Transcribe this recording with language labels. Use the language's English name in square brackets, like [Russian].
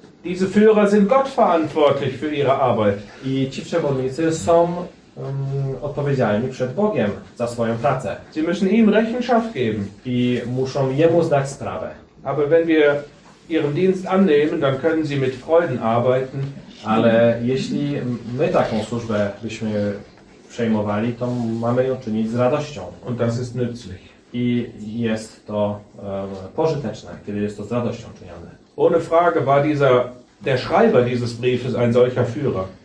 [German] Diese Führer sind Gott verantwortlich für ihre Arbeit. [Polish] I ci przewodnicy są odpowiedzialni przed Bogiem za swoją pracę. [German] Sie müssen ihm Rechenschaft geben. [Polish] I muszą jemu zdać sprawę. [German] Aber wenn wir ihren Dienst annehmen, dann können sie mit Freuden arbeiten. [Polish] Ale jeśli my taką służbę byśmy przejmowali, to mamy ją czynić z radością. [German] Und das ist nützlich. [Polish] I jest to pożyteczne, kiedy jest to z radością czynione. [German] Ohne Frage war dieser, der Schreiber dieses Briefes ein solcher Führer.